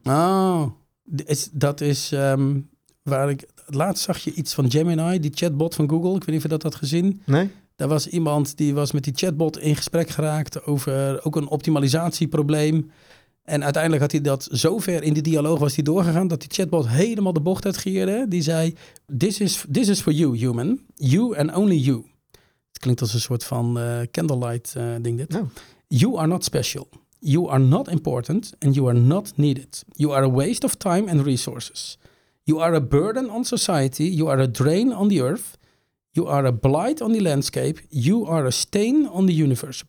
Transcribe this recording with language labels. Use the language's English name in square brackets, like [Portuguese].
[Dutch] Oh, dat is waar ik... Laatst zag je iets van Gemini, die chatbot van Google. Ik weet niet of je dat had gezien. Nee. Daar was iemand die was met die chatbot in gesprek geraakt over ook een optimalisatieprobleem. En uiteindelijk had hij dat zo ver in die dialoog was hij doorgegaan dat die chatbot helemaal de bocht had gegeven. Die zei, [English] this is for you, human. You and only you. [Dutch] Het klinkt als een soort van candlelight ding dit. [English] No. You are not special. You are not important and you are not needed. You are a waste of time and resources. You are a burden on society. You are a drain on the earth. You are a blight on the landscape. You are a stain on the universe.